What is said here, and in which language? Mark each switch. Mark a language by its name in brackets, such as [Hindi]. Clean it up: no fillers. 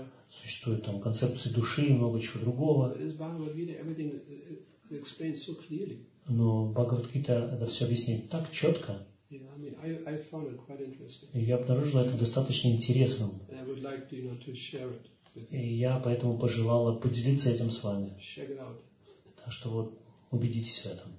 [Russian] Существуют там концепции души и много чего другого. Но Бхагавад-гита это все объясняет так четко. [English] I found it quite interesting. [Russian] Я обнаружил это достаточно интересным. [English] And I would like to, you know, to share it with [Russian] you. И я поэтому пожелала поделиться этим с вами. [English] Check it out. [Russian] Так что вот убедитесь в этом.